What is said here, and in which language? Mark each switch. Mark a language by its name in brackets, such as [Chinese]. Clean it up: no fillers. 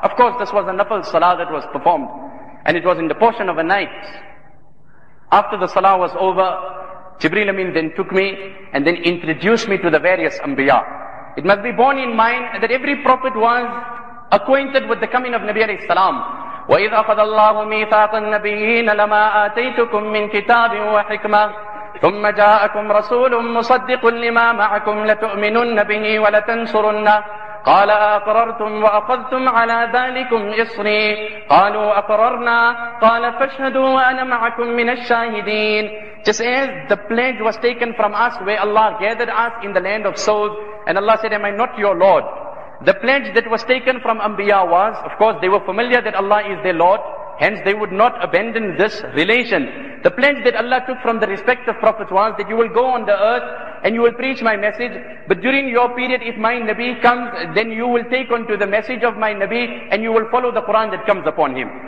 [English] Of course, this was a nafal salah that was performed. And it was in the portion of a night. After the salah was over, Jibreel Amin then took me and then introduced me to the various Anbiya. It must be borne in mind that every prophet was acquainted with the coming of Nabi alayhi salam. [Arabic] وَإِذْ أَخَذَ اللَّهُ مِيثَاقَ النَّبِيِّينَ لَمَا آتَيْتُكُم مِّن كِتَابٍ وَحِكْمَةٍ ثم جاءكم رسول مصدق لما معكم لتؤمنن به ولتنصرنه قال أقررتم وأخذتم على ذلكم إصري قالوا أقررنا قال فاشهدوا وأنا معكم من الشاهدين. [English] Just as the pledge was taken from us where Allah gathered us in the land of Saud, and Allah said, am I not your Lord? The pledge that was taken from Anbiya was, of course they were familiar that Allah is their Lord, hence they would not abandon this relation. The pledge that Allah took from the respective prophets was that you will go on the earth and you will preach my message, but during your period if my Nabi comes, then you will take on to the message of my Nabi and you will follow the Quran that comes upon him.